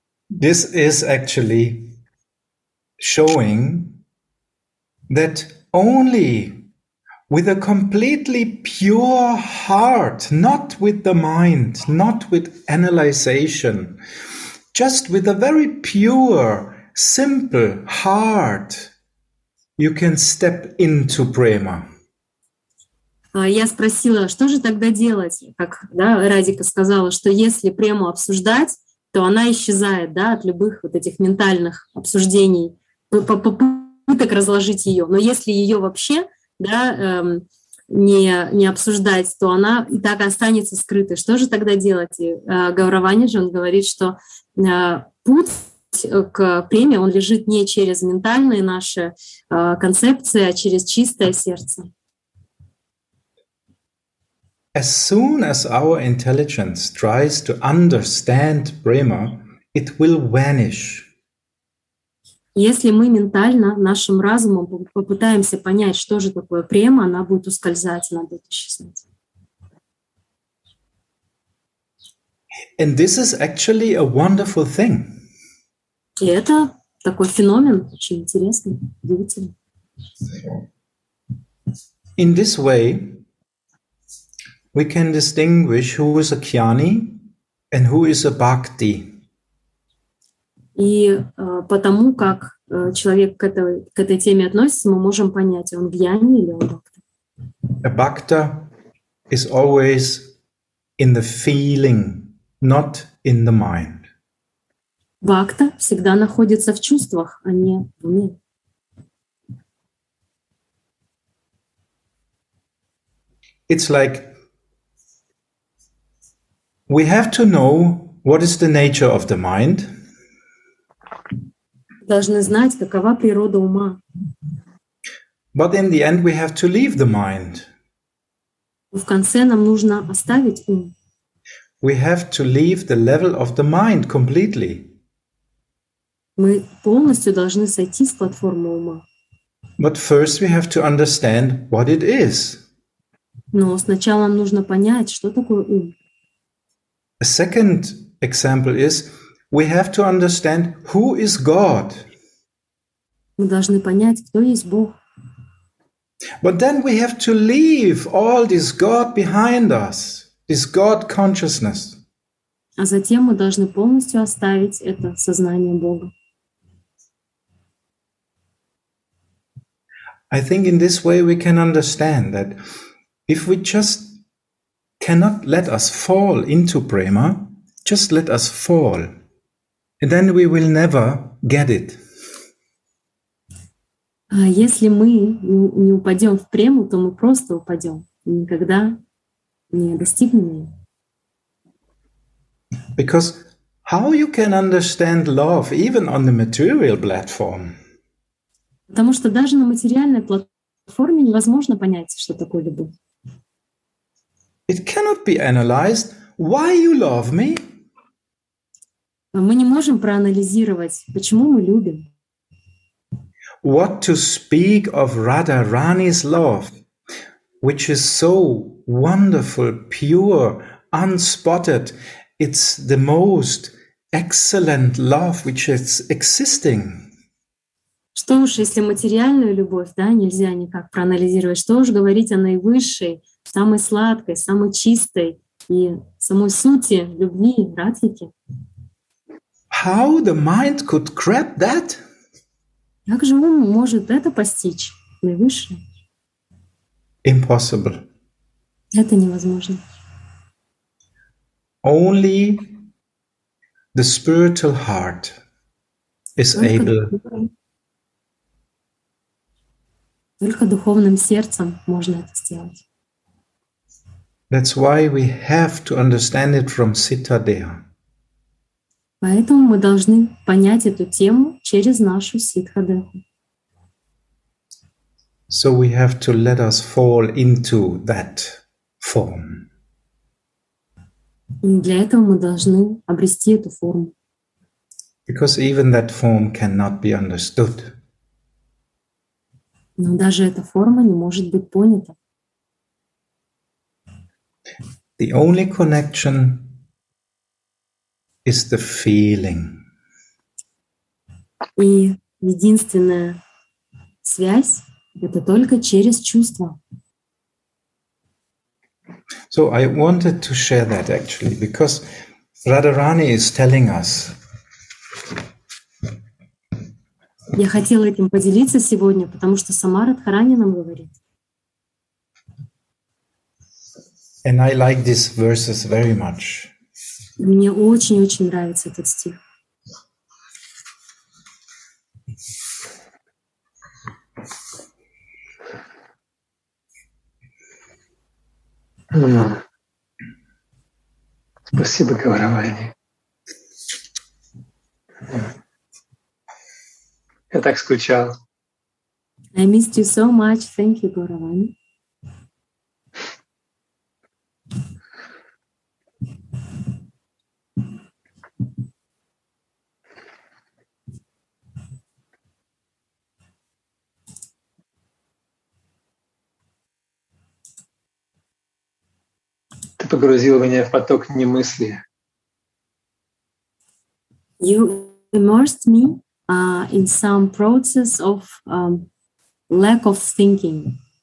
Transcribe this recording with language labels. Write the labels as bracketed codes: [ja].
[en] This is actually showing that only with a completely pure heart, not with the mind, not with analyzation, just with a very pure, simple heart, you can step into prema. [ru] Я спросила, что же тогда делать? Как, да, Радика сказала, что если прему обсуждать, то она исчезает, да, от любых вот этих ментальных обсуждений, попыток разложить ее. Но если ее вообще... да, не обсуждать, то она и так останется скрытой. Что же тогда делать? И Гауравани же, он говорит, что путь к преме, он лежит не через ментальные наши концепции, а через чистое сердце. [en] As soon as our intelligence tries to understand prema, it will vanish. [ru] Если мы ментально, нашим разумом попытаемся понять, что же такое према, она будет ускользать, она будет исчезнуть. [en] And this is actually a wonderful thing. [ru] И это такой феномен, очень интересный, удивительный. [en] In this way, we can distinguish who is a kyani and who is a bhakti. [ru] И потому как человек к этой теме относится, мы можем понять, он гьяни или он бхакта. [en] A bhakta is always in the feeling, not in the mind. [ru] Бхакта всегда находится в чувствах, а не в уме. [en] It's like we have to know what is the nature of the mind. [ru] Должны знать, какова природа ума. [en] But in the end we have to leave the mind. [ru] В конце нам нужно оставить ум. [en] We have to leave the level of the mind completely. [ru] Мы полностью должны сойти с платформы ума. [en] But first we have to understand what it is. [ru] Но сначала нам нужно понять, что такое ум. [en] A second example is we have to understand who is God. [ru] Мы должны понять, кто есть Бог. [en] But then we have to leave all this God behind us, this God consciousness. [ru] А затем мы должны полностью оставить это сознание Бога. [en] I think in this way we can understand that if we just cannot let us fall into prema, just let us fall. And then we will never get it. [ru] Если мы не упадем в прему, то мы просто упадем. Никогда не достигнем ее. [en] Because how you can understand love even on the material platform? [ru] Потому что даже на материальной платформе невозможно понять, что такое любовь. [en] It cannot be analyzed. Why you love me? [ru] Мы не можем проанализировать, почему мы любим. [en] What to speak of Radharani's love, which is so wonderful, pure, unspotted. It's the most excellent love which is existing. [ru] Что уж, если материальную любовь, да, нельзя никак проанализировать, что уж говорить о наивысшей, самой сладкой, самой чистой и самой сути любви, радхики. [en] How the mind could grab that? [ru] Как же ум может это постичь, наивысшее? [en] Impossible. [ru] Это невозможно. [en] Only the spiritual heart is able. [ru] Только духовным сердцем можно это сделать. [en] That's why we have to understand it from Sita Deha. [ru] Поэтому мы должны понять эту тему через нашу Ситха Деху. [en] So we have to let us fall into that form. [ru] И для этого мы должны обрести эту форму. [en] Because even that form cannot be understood. [ru] Но даже эта форма не может быть понята. [en] The only connection is the feeling. [ru] И единственная связь — это только через чувства. [en] So I wanted to share that actually, because Radharani is telling us. [ru] Я хотела этим поделиться сегодня, потому что сама Радхарани нам говорит. [en] And I like these verses very much. [ru] Мне очень-очень нравится этот стих. Спасибо, Гаураваи. Я так скучал. [en] I missed you so much. Thank you, Гаураваи. [ru] Погрузил меня в поток немысли. [en] You immersed me in some process of lack of thinking.